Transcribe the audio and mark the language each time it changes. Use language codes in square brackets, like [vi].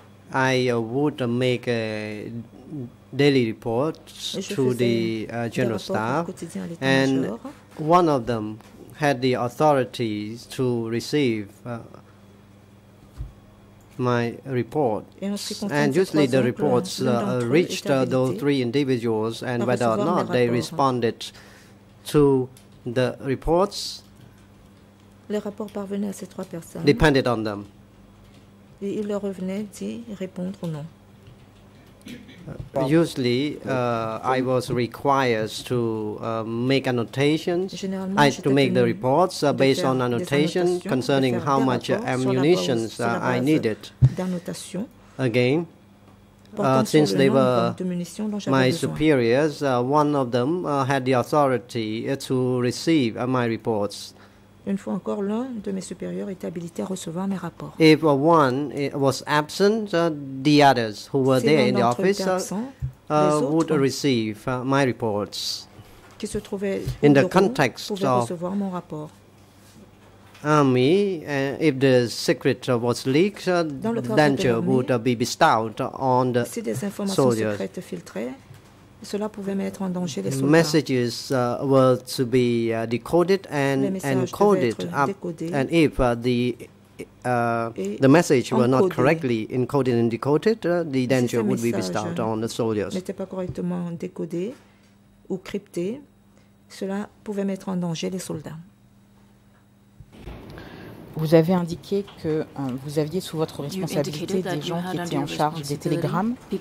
[en] I would make a daily report to the general staff, and one of them had the authorities to receive my report, and usually the reports reached those three individuals, and whether or not they responded to the reports [fr] les rapports parvenaient à ces trois personnes. [en] Depended on them. [fr] Et il leur revenait d'y répondre ou non. [en] Usually, I was required to make annotations, to make the reports based on annotations concerning how much ammunition I needed. [fr] D'annotation. [en] Again, since they were my superiors, one of them had the authority to receive my reports. [fr] Une fois encore, l'un de mes supérieurs était habilité à recevoir mes rapports. [en] If one was absent, the others who were there in the office would receive my reports. [fr] Qui se trouvaient [en] in the context of [fr] recevoir mon rapport. [en] Army, if the secret was leaked, danger would be bestowed on the [fr] si des informations secrètes filtraient, cela pouvait mettre en danger les soldats. [en] Messages were to be decoded and encoded up, and if the message were not correctly encoded and decoded, the danger would be bestowed on the soldiers. [fr] N'était pas correctement décodé ou crypté, cela pouvait mettre en danger les soldats. Vous avez indiqué que vous aviez sous votre responsabilité des gens qui étaient en charge des télégrammes.